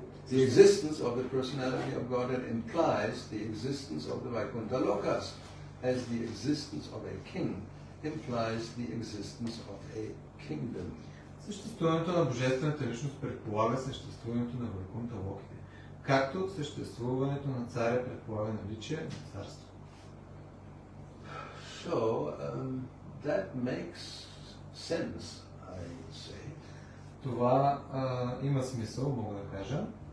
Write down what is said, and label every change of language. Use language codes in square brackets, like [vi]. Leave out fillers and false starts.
[en] The existence of the personality of Godhead implies the existence of the Vaikuntha Lokas, as the existence of a king implies the existence of a kingdom. [bg] Съществуването на Божествената личност предполага съществуването на Вайкунта Локите, както съществуването на царя предполага наличие на царство. [en] So, that makes sense, I would say. [bg] Това има смисъл, мога да кажа.